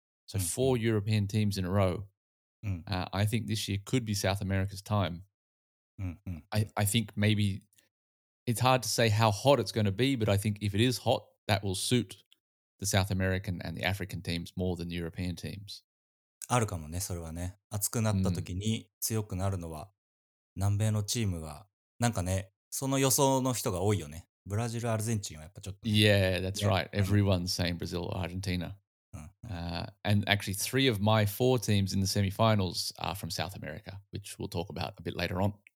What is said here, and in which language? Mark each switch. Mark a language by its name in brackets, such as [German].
[English] So four European teams in a row. I think this year could be South America's time. I think maybe it's hard to say how hot it's going to be, but I think if it is hot, that will suit the South American and the African teams more than the European teams. [Japanese] あるかもね、それはね。暑くなった時に強くなるのは、南米のチームは、なんかね、その予想の人が多いよね。ブラジル、アルゼンチンはやっぱちょっと、ね。 [English] Yeah, that's right. Everyone's saying Brazil or Argentina. And actually, three of my four teams in the semifinals are from South America, which we'll talk about a bit later on.